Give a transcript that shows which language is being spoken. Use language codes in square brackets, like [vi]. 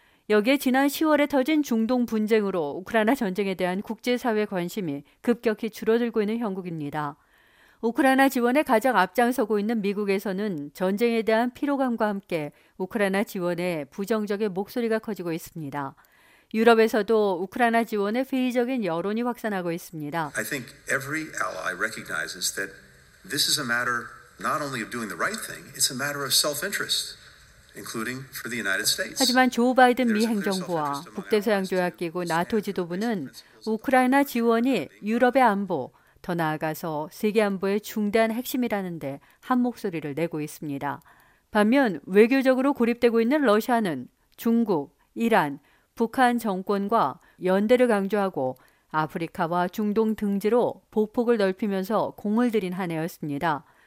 [ko] 여기에 지난 10월에 터진 중동 분쟁으로 우크라이나 전쟁에 대한 국제사회 관심이 급격히 줄어들고 있는 형국입니다. 우크라이나 지원에 가장 앞장서고 있는 미국에서는 전쟁에 대한 피로감과 함께 우크라이나 지원에 부정적인 목소리가 커지고 있습니다. 유럽에서도 우크라이나 지원에 회의적인 여론이 확산하고 있습니다. [en] I think every ally recognizes that this is a matter not only of doing the right thing, it's a matter of self-interest. Including for the United States. [ko] 하지만 조 바이든 미 행정부와 북대서양 조약기구 나토 지도부는 우크라이나 지원이 유럽의 안보, 더 나아가서 세계 안보의 중대한 핵심이라는 데 한 목소리를 내고 있습니다. 반면 외교적으로 고립되고 있는 러시아는 중국, 이란, 북한 정권과 연대를 강조하고 아프리카와 중동 등지로 보폭을 넓히면서 공을 들인 한 해였습니다.